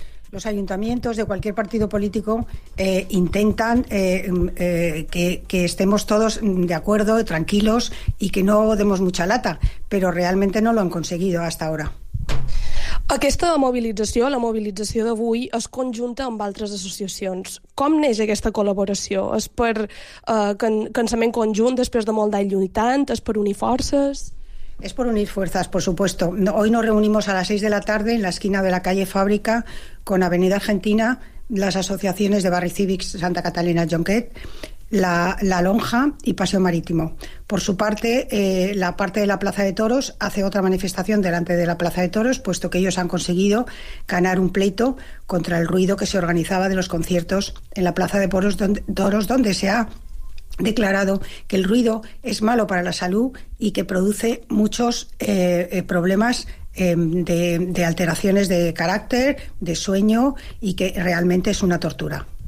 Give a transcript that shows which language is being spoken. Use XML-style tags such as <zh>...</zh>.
<es>Los ayuntamientos de cualquier partido político intentan que estemos todos de acuerdo, tranquilos y que no demos mucha lata, pero realmente no lo han conseguido hasta ahora.</es> <ca>Aquesta mobilització, la mobilització d'avui, es conjunta amb altres associacions. Com neix aquesta col·laboració? És per cansament conjunt després de molt d'any lluitant? És per unir forces?</ca> <es>Es por unir fuerzas, por supuesto. Hoy nos reunimos a las 6 de la tarde en la esquina de la calle Fábrica con Avenida Argentina, las asociaciones de Barri Cívic Santa Catalina Joncat, la Lonja y Paseo Marítimo. Por su parte, la parte de la Plaza de Toros hace otra manifestación delante de la Plaza de Toros, puesto que ellos han conseguido ganar un pleito contra el ruido que se organizaba de los conciertos en la Plaza de Toros, donde se ha declarado que el ruido es malo para la salud y que produce muchos problemas de alteraciones de carácter, de sueño, y que realmente es una tortura.</es>